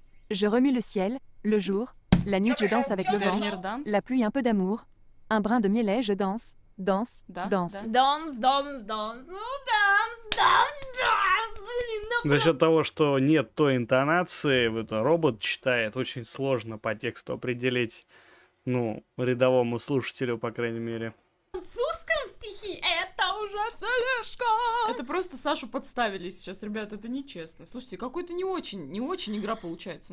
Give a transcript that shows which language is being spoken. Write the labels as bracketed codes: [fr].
[fr] Je remue le ciel, le jour, la nuit je danse avec le vent, la pluie un peu d'amour, un brin de miel, je danse. [en] Dance, dance. Dance, dance, dance. Ну, dance, dance, dance. [ru] Блин, ну, за счет того, что нет той интонации, вот робот читает, очень сложно по тексту определить, ну, рядовому слушателю, по крайней мере. В французском стихе это уже слежка. Это просто Сашу подставили сейчас, ребят, это нечестно. Слушайте, какой-то не очень игра получается.